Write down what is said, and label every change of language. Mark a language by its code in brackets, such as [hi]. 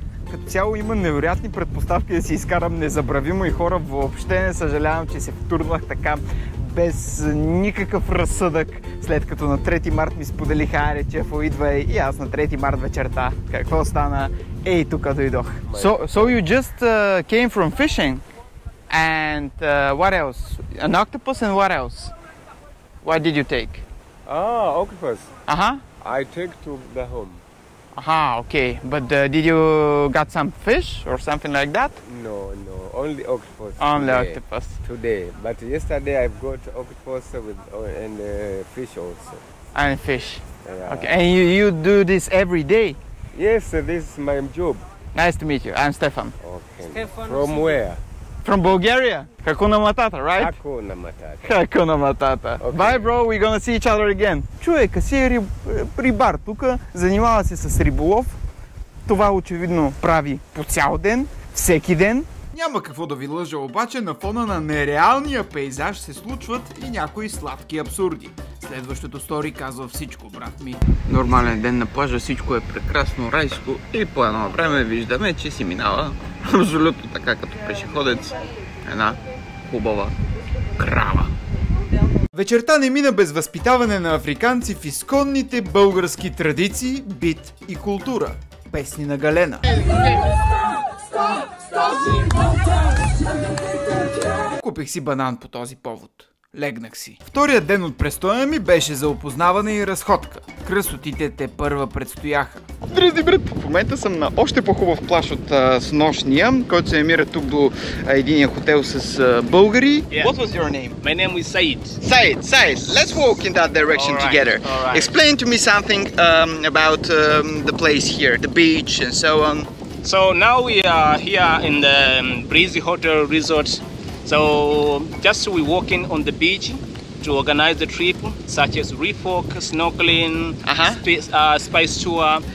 [bg] Като цяло има невероятни предпоставки да си изкарам незабравимо и хора, въобще не съжалявам, че се втурнах така без никакъв разсъдък, след като на 3 март ми споделиха Аре Чефо, идва и аз на 3 март вечерта. Какво стана? Ей, тук дойдох. [en] So you just came from fishing? And what else? An octopus and what else? What did you take? Ah, octopus. Uh-huh. I take to the home. Uh-huh, okay. But did you got some fish or something like that? No. Only octopus. Only today. Octopus. Today. But yesterday I've got octopus with and fish also. And fish. Yeah. Okay. And you do this every day? Yes, this is my job. Nice to meet you. I'm Stefan. Okay. Stefan. From where? From Bulgaria. [sw] Hakuna Matata, [en] right? [sw] Hakuna Matata. Hakuna Matata. [en] Okay. Bye, bro. We're gonna see each other again. [bg] Човека си е рибар тук. Занимава се с риболов. Това очевидно прави по цял ден, всеки ден. Няма какво да ви лъжа, обаче на фона на нереалния пейзаж се случват и някои сладки абсурди. Следващото стори казва всичко, брат ми. Нормален ден на плажа, всичко е прекрасно, райско и по едно време виждаме, че си минава абсолютно така като пешеходец една хубава крава. Вечерта не мина без възпитаване на африканци в изконните български традиции, бит и култура. Песни на Галена. Купих си банан по този повод. Легнах си. Вторият ден от престоя ми беше за опознаване и разходка. Красотите те първа предстояха. Здрасти, брат! В момента съм на още по-хубав плаж от снощния, който се намира тук до единия хотел с българи. [en] Yeah. What was your name? My name is Said. Said, let's walk in that direction right, together. Right. Explain to me something about the place here, the beach and so on. So now we are here in the Breezy Hotel Resort. So just we walking on the beach to organize the trip, such as reef walk, snorkeling, spice tour.